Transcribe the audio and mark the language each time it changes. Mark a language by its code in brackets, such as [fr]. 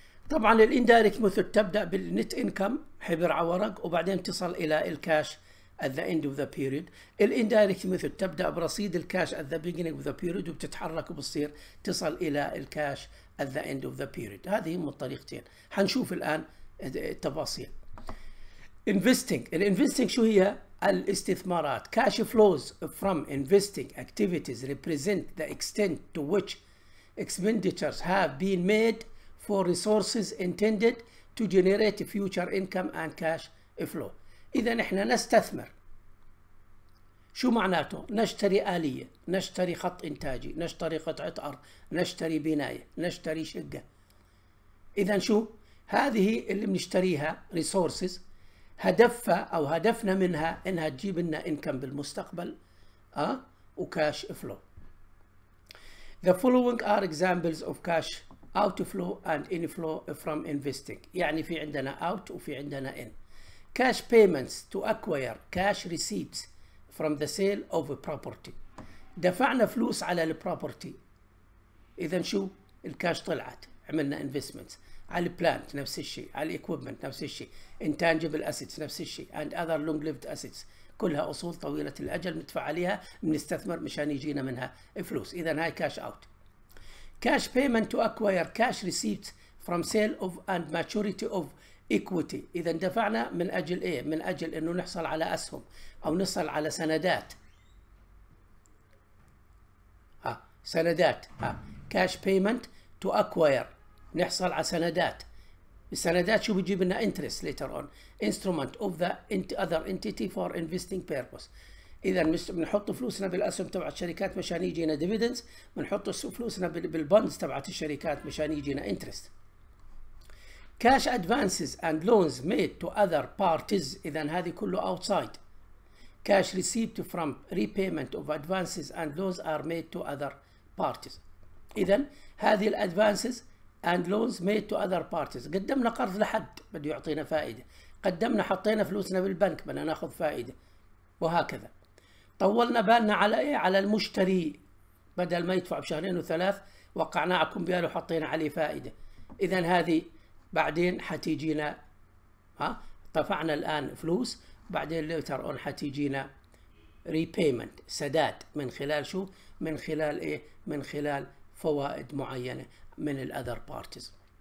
[ar] طبعا الاندايركت ميثود تبدا بالنت انكم حبر على ورق، وبعدين تصل الى الكاش [en] at the end of the period. [ar] الاندايركت ميثود تبدا برصيد الكاش [en] at the beginning of the period [ar] وبتتحرك وبتصير تصل الى الكاش [en] at the end of the period. [ar] هذه هم الطريقتين. حنشوف الان التفاصيل. Investing. الانفستنج شو هي؟ الاستثمارات. [en] Cash flows from investing activities represent the extent to which expenditures have been made for resources intended to generate future income and cash flow. [ar] إذا احنا نستثمر، شو معناته؟ نشتري آلية، نشتري خط إنتاجي، نشتري قطعة أرض، نشتري بناية، نشتري شقة. إذا شو؟ هذه اللي بنشتريها resources هدفها أو هدفنا منها إنها تجيب لنا income بالمستقبل وكاش فلو. [en] The following are examples of cash outflow and inflow from investing. [ar] يعني في عندنا out وفي عندنا in. [en] Cash payments to acquire cash receipts from the sale of a property. [ar] دفعنا فلوس على البروبرتي. إذا شو؟ الكاش طلعت، عملنا investments. على البلانت نفس الشيء، على الإكويبمنت نفس الشيء، [en] intangible assets [ar] نفس الشيء، [en] and other long lived assets. [ar] كلها أصول طويلة الأجل ندفع عليها، بنستثمر مشان يجينا منها فلوس. إذا هاي [en] cash out. Cash payment to acquire cash receipts from sale of and maturity of equity. [ar] إذا دفعنا من أجل إيه؟ من أجل إنه نحصل على أسهم أو نصل على سندات. [en] سندات. Cash payment to acquire. [ar] نحصل على سندات. السندات شو بيجيب لنا؟ [en] interest later on. Instrument of the other entity for investing purpose. [ar] إذا بنحط فلوسنا بالأسهم تبع الشركات مشان يجينا dividends. بنحط فلوسنا بالبونز تبعت الشركات مشان يجينا interest. [en] Cash advances and loans made to other parties. [ar] إذا هذه كله [en] outside. Cash received from repayment of advances and loans are made to other parties. [ar] إذا هذه [en] advances and loans made to other parties. [ar] قدمنا قرض لحد بده يعطينا فائدة. قدمنا حطينا فلوسنا بالبنك بدنا ناخذ فائدة. وهكذا. طولنا بالنا على إيه؟ على المشتري. بدل ما يدفع بشهرين وثلاث وقعناه على كمبيال وحطينا عليه فائده. اذا هذه بعدين حتيجينا، ها دفعنا الان فلوس بعدين [en] later on [ar] حتيجينا ريبيمنت، سداد من خلال شو؟ من خلال ايه؟ من خلال فوائد معينه من [en] الاذر بارتيز.